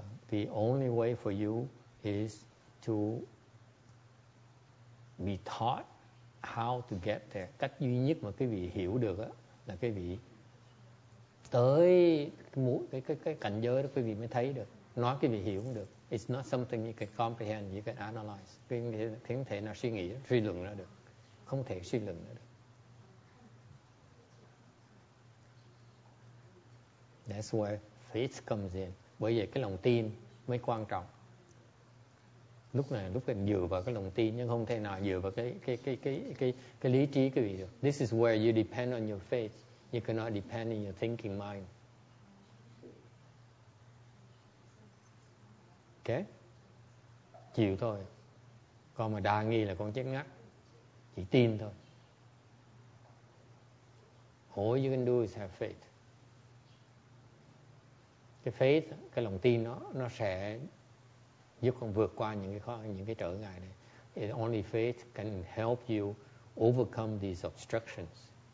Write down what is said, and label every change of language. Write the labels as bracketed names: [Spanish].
[English] The only way for you is to be taught how to get there. [Vietnamese] Cách duy nhất mà quý vị hiểu được á là quý vị tới cái cảnh giới đó quý vị mới thấy được. Nói quý vị hiểu cũng được. [English] It's not something you can comprehend, you can analyze. [Vietnamese] Quý vị không thể nào suy nghĩ, suy luận ra được. Không thể suy luận ra được. [English] That's where faith comes in. [Vietnamese] Bởi vậy cái lòng tin mới quan trọng. Lúc này lúc mình dựa vào cái lòng tin, nhưng không thể nào dựa vào cái lý trí cái gì được. [English] This is where you depend on your faith. You cannot depend on your thinking mind. [Vietnamese] Ok? Chịu thôi. Con mà đa nghi là con chết ngắt. Chỉ tin thôi. [English] All you can do is have faith. [Vietnamese] Cái faith, cái lòng tin nó sẽ giúp con vượt qua những cái trở ngại này. [English] It only faith can help you overcome these obstructions.